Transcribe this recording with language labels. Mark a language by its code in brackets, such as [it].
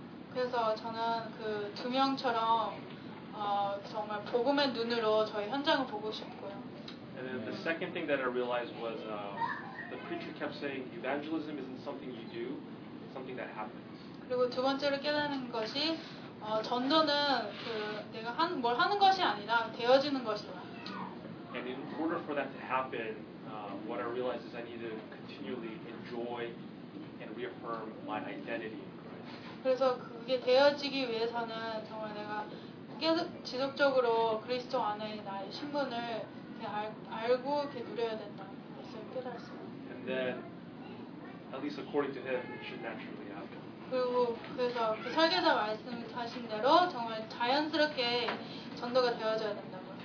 [ko] 그래서 저는 그 두 명처럼 정말 복음의 눈으로 저의 현장을 보고 싶고요. [en] And then the second thing that I realized was the preacher kept saying evangelism isn't something you do, it's something that happens. [ko] 그리고 두 번째로 깨달은 것이 전도는 그 내가 뭘 하는 것이 아니라 되어지는 것이다. [en] And in order for that to happen, what I realize is I need to continually enjoy and reaffirm my identity in Christ. [ko] 그래서 그게 되어지기 위해서는 정말 내가 계속 지속적으로 그리스도 안에 나의 신분을 알고 누려야 된다. 그래서 깨달았어요. [en] And then, at least according to him, it should naturally happen. [ko] 그리고 그래서 그 설계자 말씀하신 대로 정말 자연스럽게 전도가 되어져야 된다.